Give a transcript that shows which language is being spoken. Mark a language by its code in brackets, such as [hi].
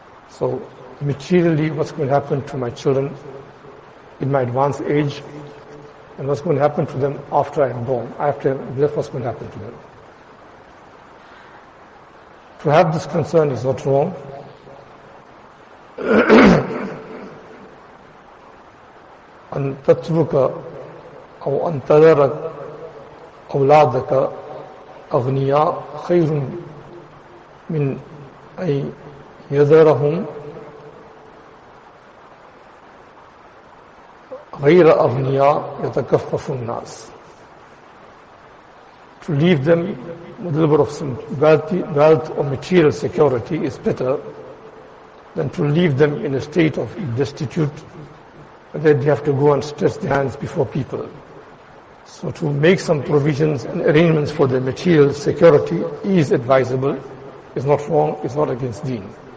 [en] So materially, what's going to happen to my children in my advanced age, and what's going to happen to them after I'm born, after death, what's going to happen to them? To have this concern is not wrong. [ar] أن تترك أو أن تذر أولادك أغنياء خير من أن يذرهم غير أغنياء يتكفف الناس. [en] To leave them with a little bit of some wealth or material security is better than to leave them in a state of destitute that they have to go and stretch their hands before people. So to make some provisions and arrangements for their material security is advisable, is not wrong, is not against deen.